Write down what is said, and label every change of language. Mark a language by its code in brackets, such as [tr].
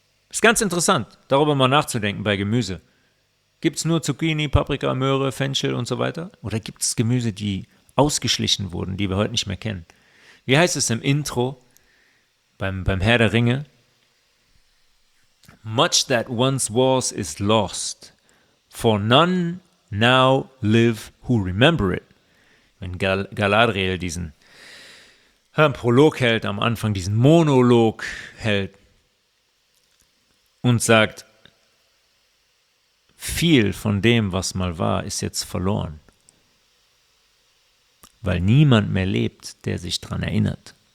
[de] Ist ganz interessant, darüber mal nachzudenken bei Gemüse. Gibt es nur Zucchini, Paprika, Möhre, Fenchel und so weiter? Oder gibt es Gemüse, die ausgeschlichen wurden, die wir heute nicht mehr kennen? Wie heißt es im Intro beim Herr der Ringe? [en] Much that once was is lost, for none now live who remember it. [de] Wenn Galadriel diesen Prolog hält, am Anfang diesen Monolog hält und sagt, viel von dem, was mal war, ist jetzt verloren, weil niemand mehr lebt, der sich dran erinnert.